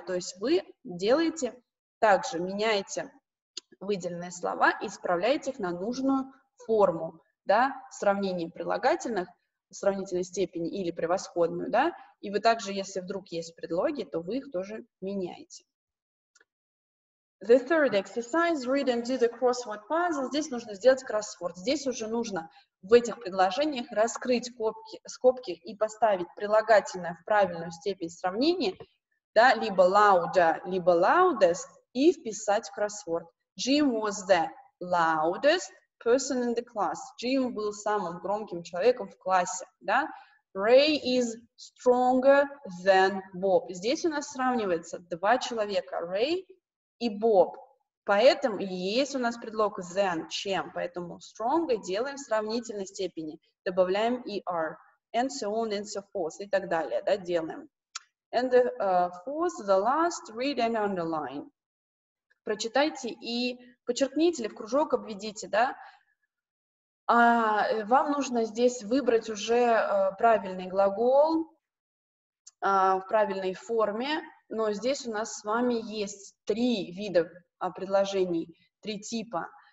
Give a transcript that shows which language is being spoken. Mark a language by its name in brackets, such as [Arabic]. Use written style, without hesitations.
[Russian] То есть вы делаете также, меняете выделенные слова и исправляете их на нужную форму, да, сравнение прилагательных, сравнительной степени или превосходную, да, и вы также, если вдруг есть предлоги, то вы их тоже меняете. [English] The third exercise, read and do the crossword puzzle. [Russian] Здесь нужно сделать кроссворд. Здесь уже нужно в этих предложениях раскрыть скобки и поставить прилагательное в правильную степень сравнения, да, либо louder, либо loudest, и вписать кроссворд. [English] Jim was the loudest person in the class. [Russian] Jim был самым громким человеком в классе, да. [English] Ray is stronger than Bob. [Russian] Здесь у нас сравнивается два человека, Ray и Bob. Поэтому есть у нас предлог than, чем, поэтому stronger делаем в сравнительной степени, добавляем er, [English] and so on and so forth, [Russian] и так далее, да, делаем. [English] And the fourth, the last, read and underline. [Russian] Прочитайте и подчеркните, или в кружок обведите, да? А вам нужно здесь выбрать уже правильный глагол в правильной форме, но здесь у нас с вами есть три вида предложений, три типа.